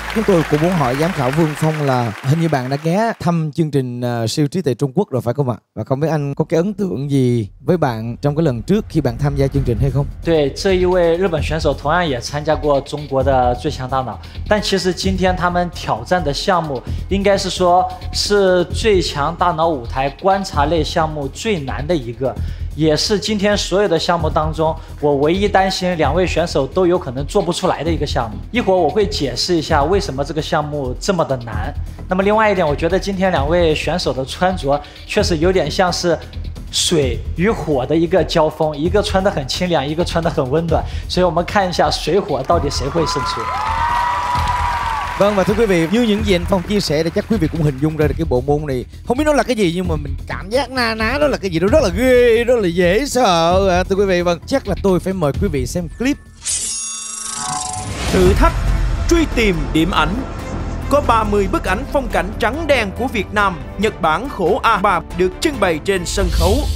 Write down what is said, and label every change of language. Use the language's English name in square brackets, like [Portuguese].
[Vietnamese] Chúng tôi cũng muốn hỏi giám khảo Vương Phong là hình như bạn đã ghé thăm chương trình Siêu Trí Tuệ Trung Quốc rồi phải không ạ? Và không biết anh có cái ấn tượng gì với bạn trong cái lần trước khi bạn tham gia chương trình hay không? [Chinese] 对, 这一位日本选手 同样也参加过中国的最强大脑，但其实今天他们挑战的项目应该是说是最强大脑舞台观察类项目最难的一个。也是今天所有的项目当中，我唯一担心两位选手都有可能做不出来的一个项目。一会儿我会解释一下为什么这个项目这么的难。那么另外一点，我觉得今天两位选手的穿着确实有点像是水与火的一个交锋，一个穿得很清凉，一个穿得很温暖。所以我们看一下水火到底谁会胜出。 [Vietnamese] Vâng, và thưa quý vị, như những gì anh Phong chia sẻ thì chắc quý vị cũng hình dung ra được cái bộ môn này. Không biết nó là cái gì nhưng mà mình cảm giác na ná đó là cái gì đó rất là ghê, rất là dễ sợ. À, thưa quý vị, vâng, chắc là tôi phải mời quý vị xem clip. Thử thách truy tìm điểm ảnh. Có 30 bức ảnh phong cảnh trắng đen của Việt Nam, Nhật Bản khổ A3 được trưng bày trên sân khấu.